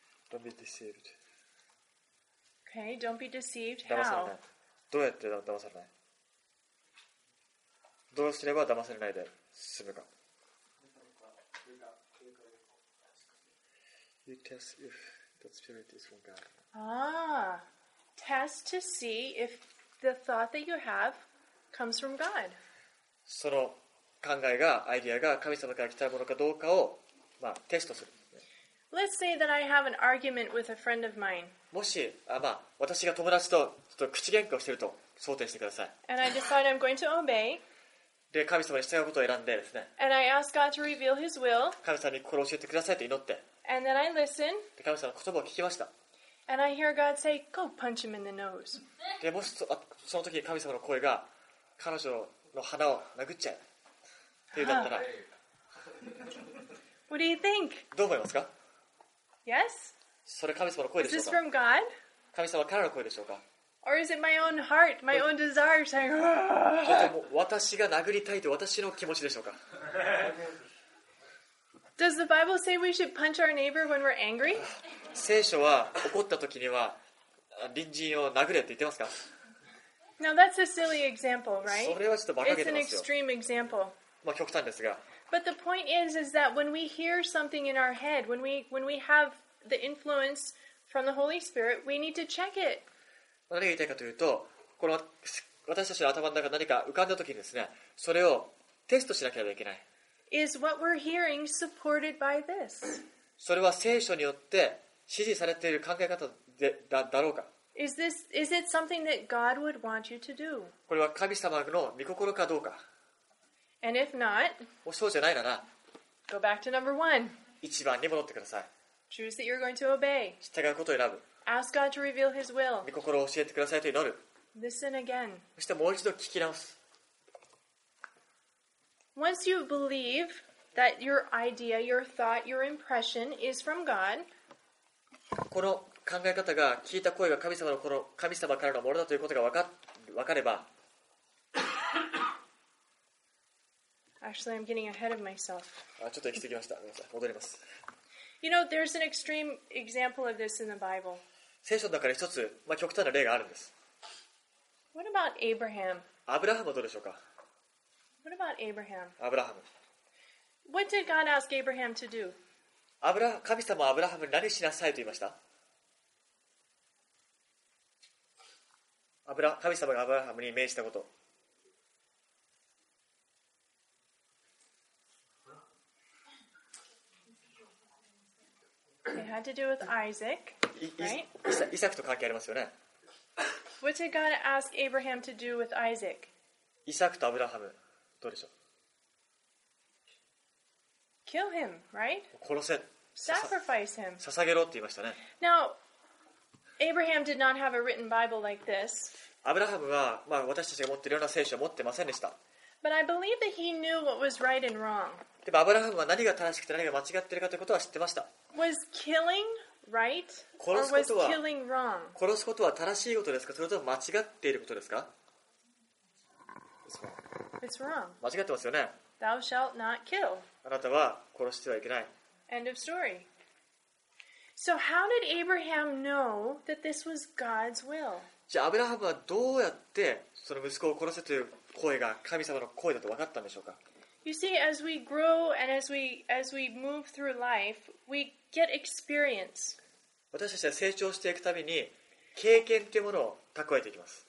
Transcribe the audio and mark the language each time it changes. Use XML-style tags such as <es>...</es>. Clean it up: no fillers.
<en>Don't be deceived. Okay, don't be deceived. How?</en> <ja>どうやって騙されない？どうすれば騙されないで済むか。</ja> <en>You test if the spirit is from God. Test to see if the thought that you have comes from God.</en> <ja>その考えが、アイデアが神様から来たものかどうかを、テストする。</ja> <en>Let's say that I have an argument with a friend of mine.</en> <ja>もし、私が友達とちょっと口喧嘩をしていると想定してください。</ja> <en>And I decide I'm going to obey.</en> <ja>で、神様に従うことを選んでですね。</ja> <en>And I ask God to reveal His will.</en> <ja>神様に心を教えてくださいと祈って。</ja> <en>And then I listen.</en> <ja>で、神様の言葉を聞きました。</ja> <en>And I hear God say, "Go punch him in the nose."</en> <ja>で、もしその時神様の声が彼女の鼻を殴っちゃえって言うだったら、</ja> <en>What do you think?</en> <ja>どう思いますか？</ja> <en>Yes?</en> <ja>それ神様の声でしょうか？</ja> <en>Is this from God?</en> <ja>神様からの声でしょうか？</ja> <en>Or is it my own heart, my own desire saying,</en> <ja>私が殴りたいと私の気持ちでしょうか？</ja> <en>Does the Bible say we should punch our neighbor when we're angry?</en> <ja>聖書は怒った時には隣人を殴れって言ってますか？</ja> <en>Now that's a silly example, right?</en> <ja>それはちょっと馬鹿げてますよ。</ja> <en>It's an extreme example.</en> <ja>極端ですが。</ja> <en>But the point is that when we hear something in our head, when we have the influence from the Holy Spirit, we need to check it.</en> <ja>何が言いたいかというと、この私たちの頭の中に何か浮かんだ時にですね、それをテストしなければいけない。</ja> <en>Is what we're hearing supported by this?</en> <ja>それは聖書によって支持されている考え方でだろうか。</ja> <en>Is it something that God would want you to do?</en> <ja>これは神様の御心かどうか。</ja> <en>And if not,</en> <ja>もしそうじゃないなら、</ja> <en>go back to number one.</en> <ja>一番に戻ってください。</ja> <en>Choose that you're going to obey.</en> <ja>従うことを選ぶ。</ja> <en>Ask God to reveal His will.</en> <ja>御心を教えてくださいと祈る。</ja> <en>Listen again.</en> <ja>そしてもう一度聞き直す。</ja> <en>Once you believe that your idea, your thought, your impression is from God,</en> <ja>この考え方が聞いた声が神様のこの神様からのものだということが分かれば。</ja> <en>Actually, I'm getting ahead of myself.</en> <ja>ちょっと行き過ぎました。戻ります。</ja> <en>You know, there's an extreme example of this in the Bible.</en> <ja>聖書の中で一つ、極端な例があるんです。</ja> <en>What about Abraham?</en> <ja>アブラハムはどうでしょうか？</ja> <en>What about Abraham?</en> <ja>アブラハム。</ja> <en>What did God ask Abraham to do?</en> <ja>神様はアブラハムに何しなさいと言いました？神様がアブラハムに命じたこと。</ja> <en>It had to do with Isaac, right?</en> <ja>イサクと関係ありますよね。</ja> <en>What did God ask Abraham to do with Isaac?</en> <ja>イサクとアブラハム、どうでしょう。</ja> <en>Kill him, right?</en> <ja>殺せ。</ja> <en>Sacrifice him.</en> <ja>捧げろって言いましたね。</ja> <en>Now, Abraham did not have a written Bible like this.</en> <ja>アブラハムは、私たちが持っているような聖書を持ってませんでした。</ja> <en>But I believe that he knew what was right and wrong.</en> <ja>でもアブラハムは何が正しくて何が間違っているかということは知ってました。</ja> <en>Was killing right or was killing wrong?</en> <ja>殺すことは正しいことですか、それとも間違っていることですか？</ja> <en>It's wrong.</en> <ja>間違ってますよね。</ja> <en>Thou shalt not kill.</en> <ja>あなたは殺してはいけない。</ja> <en>End of story. So how did Abraham know that this was God's will?</en> <ja>じゃあアブラハムはどうやってその息子を殺せという声が神様の声だと分かったんでしょうか?</ja> <en>You see, as we grow and as we move through life, we get experience.</en> <ja>私たちは成長していくたびに経験というものを蓄えていきます。</ja>